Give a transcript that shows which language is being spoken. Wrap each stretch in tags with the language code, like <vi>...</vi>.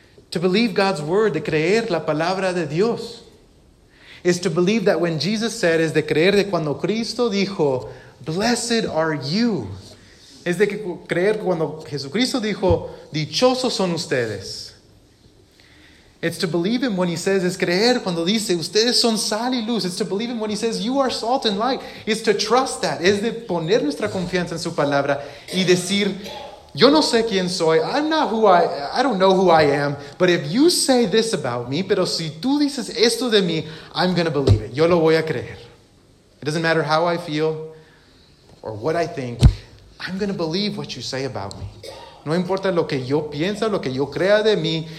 <en>To believe God's word,</en> <es>de creer la palabra de Dios.</es> <en>Is to believe that when Jesus said,</en> <es>es de creer de cuando Cristo dijo,</es> <en>blessed are you.</en> <es>Es de creer cuando Jesucristo dijo, dichosos son ustedes.</es> <en>It's to believe him when he says,</en> <es>es creer cuando dice, ustedes son sal y luz.</es> <en>It's to believe him when he says, you are salt and light. It's to trust that.</en> <es>Es de poner nuestra confianza en su palabra y decir, yo no sé quién soy.</es> <en>I'm not who I don't know who I am. But if you say this about me,</en> <es>pero si tú dices esto de mí,</es> <en>I'm going to believe it.</en> <es>Yo lo voy a creer.</es> <en>It doesn't matter how I feel or what I think. I'm going to believe what you say about me.</en> <es>No importa lo que yo piensa, lo que yo crea de mí.</es>